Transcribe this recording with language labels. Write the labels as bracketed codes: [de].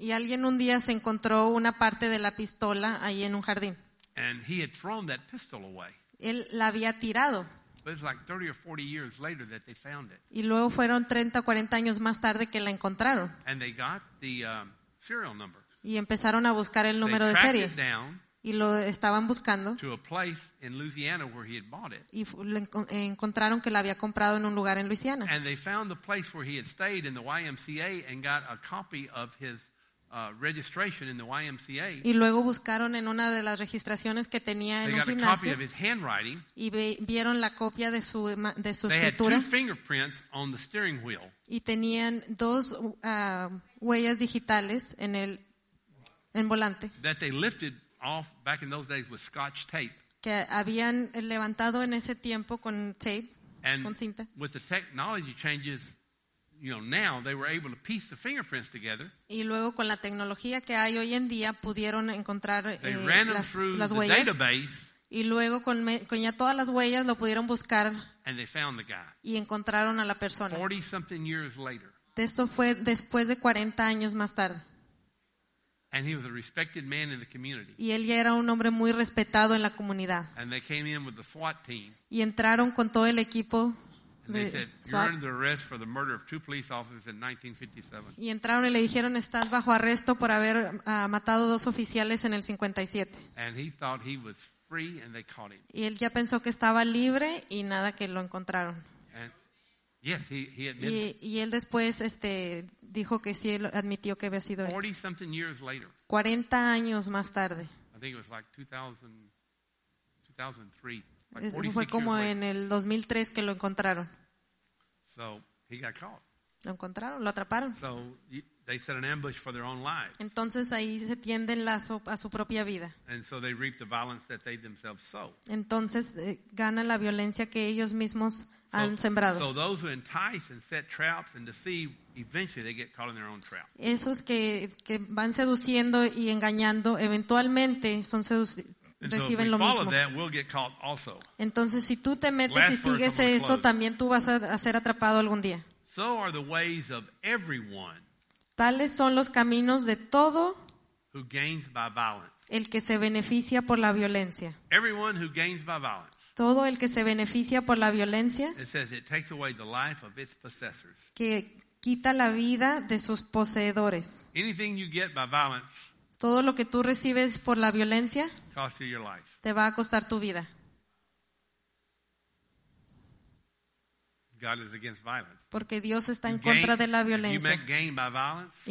[es] Y alguien un día se encontró una parte de la pistola ahí en un jardín. [en] And he had thrown that pistol away. [es] Él la había tirado. [en] But it's like 30 or 40 years later that they found it. [es] Y luego fueron 30 o 40 años más tarde que la encontraron. [en] And they got the serial number. [es] Y empezaron a buscar el número [en] they [es] de serie. [en] It down [es] y lo estaban buscando. [en] To a place in Louisiana where he had bought it. [es] Y encontraron que la había comprado en un lugar en Luisiana. [en] And they found the place where he had stayed in the YMCA and got a copy of his registration in the YMCA. [es] Y luego buscaron en una de las registraciones que tenía [en] they [es] en [en] got [es] un gimnasio. [en] A copy of his handwriting. [es] Y vieron la copia de su [en] they [es] escritura. [en] Had two fingerprints on the steering wheel. [es] Y tenían dos huellas digitales en el volante. [en] That they lifted off back in those days with scotch tape. [es] Que habían levantado en ese tiempo con tape, [en] and [es] con cinta. [en] With the technology changes, you know, now they were able to piece the fingerprints together. [es] Y luego con la tecnología que hay hoy en día pudieron encontrar las huellas. [en] They ran them through the database. [es] Y luego con ya todas las huellas lo pudieron buscar. [en] And they found the guy. [es] Y encontraron a la persona. [en] 40 something years later. [es] Esto fue después de 40 años más tarde. [en] And he was a respected man in the community. [es] Y él ya era un hombre muy respetado en la comunidad. [en] And they came in with the SWAT team. [es] Y entraron con todo el equipo. [en] And they said, "You're under arrest for the murder of two police officers in 1957." [es] Y entraron y le dijeron, "Estás bajo arresto por haber matado dos oficiales en el 57." [en] And he thought he was free, and they caught him. [es] Y él ya pensó que estaba libre y nada que lo encontraron. [en] And, Yes, he admitted. [es] Y él después dijo que sí, él admitió que había sido. [en] 40 something years later. [es] 40 años más tarde. [en] I think it was like 2003. [es] Eso fue como en el 2003 que lo encontraron. [en] So he got caught. [es] Lo encontraron, lo atraparon. [en] So they set an ambush for their own lives. [es] Entonces ahí se tiende el lazo a su propia vida. [en] And so they reap the violence that they themselves sow. [es] Entonces ganan la violencia que ellos mismos han sembrado. [en] So those who entice and set traps and deceive, eventually they get caught in their own trap. [es] Esos que van seduciendo y engañando, eventualmente son seducidos. Reciben lo mismo. Entonces, si tú te metes y sigues eso, también tú vas a ser atrapado algún día. [en] So are the ways of everyone. [es] Tales son los caminos de todo [en] who gains by violence. [es] El que se beneficia por la violencia. [en] Everyone who gains by violence. [es] Todo el que se beneficia por la violencia. [en] It says it takes away the life of its possessors. [es] Que quita la vida de sus poseedores. [en] Anything you get by violence. [es] Todo lo que tú recibes por la violencia te va a costar tu vida. [en] God is against violence. [es] Porque Dios está en contra de la violencia. [en] If you make gain by violence,